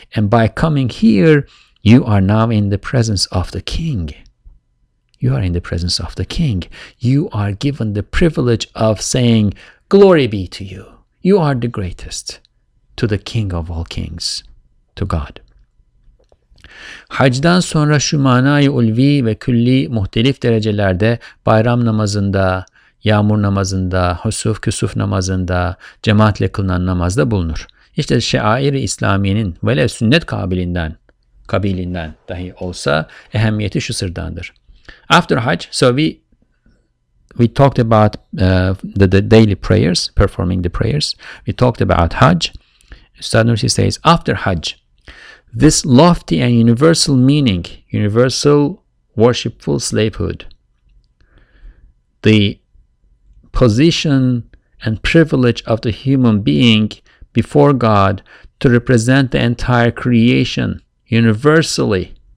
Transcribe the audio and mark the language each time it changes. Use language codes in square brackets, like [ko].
[en] And by coming here, you are now in the presence of the king. You are in the presence of the king. You are given the privilege of saying, glory be to you. You are the greatest, to the king of all kings, to God. [tr] Hac'dan sonra şu manayı ulvi ve külli muhtelif derecelerde bayram namazında, yağmur namazında, husuf küsuf namazında, cemaatle kılınan namazda bulunur. İşte şeair-i İslamiyenin velev sünnet kabilinden dahi olsa ehemmiyeti şu sırdandır. [en] After Hajj, so we talked about the daily prayers, performing the prayers. We talked about Hajj. Üstad Nursi says, after Hajj, this lofty and universal meaning, universal worshipful slavehood, the position and privilege of the human being before God to represent the entire creation universally,